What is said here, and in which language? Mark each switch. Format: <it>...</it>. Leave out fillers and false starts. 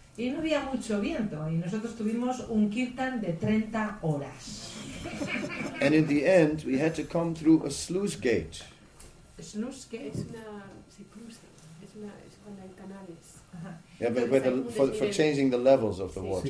<es>Y no había mucho viento, y nosotros tuvimos un kirtan de 30 horas.</es> <en>And in the end, we had to come through a sluice gate.</en> <es>Sluice gate es una sluice, es cuando hay canales. Uh-huh.</es> <en>Yeah, but with the, for changing the levels of the water.</en>